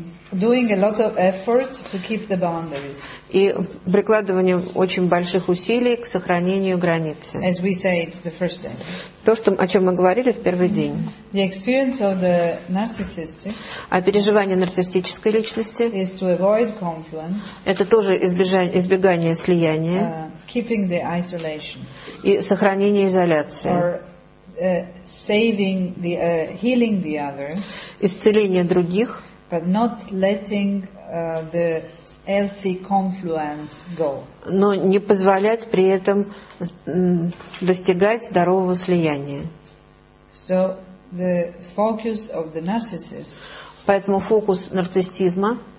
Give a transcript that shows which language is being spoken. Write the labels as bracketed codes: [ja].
[en] Doing a lot of efforts to keep the boundaries. [ru] И прикладывание очень больших усилий к сохранению границы. [en] As we say, it's the first day. [ru] То, что, о чем мы говорили в первый день. [en] The experience of the narcissist. [ru] А переживание нарциссической личности. [en] Is to avoid confluence. [ru] Это тоже избегание слияния. [en] Keeping the isolation. [ru] И сохранение изоляции. [en] Or saving the healing the other. [ru] Исцеление других. [en] But not letting the healthy confluence go. [ru] Но не позволять при этом достигать здорового слияния. [en] So the focus of the narcissist. [ru] Поэтому фокус нарциссизма.